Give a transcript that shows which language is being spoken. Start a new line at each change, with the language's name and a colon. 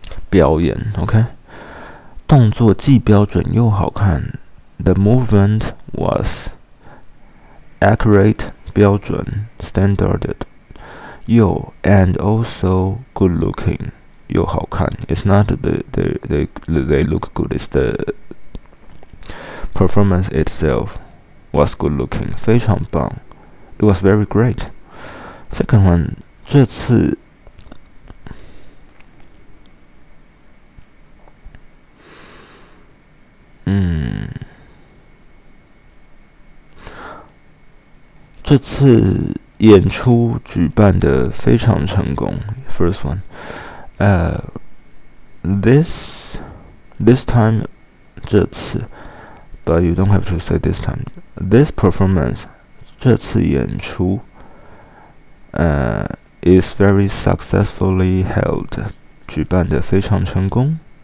Chinese: 表演 ，OK， 动作既标准又好看。
English: The movement was accurate, 标准 standarded, 又 and also good looking,
Chinese: 又好看。
English: It's not they look good, it's the performance itself was good looking,
Chinese: 非常棒。
English: It was very great. Second one， 这次。
Chinese: 这次演出举办的非常成功。
English: First one, this time, 这次 ，but you don't have to say this time. This performance,
Chinese: 这次演出
English: is very successfully held,
Chinese: 举办的非常成功。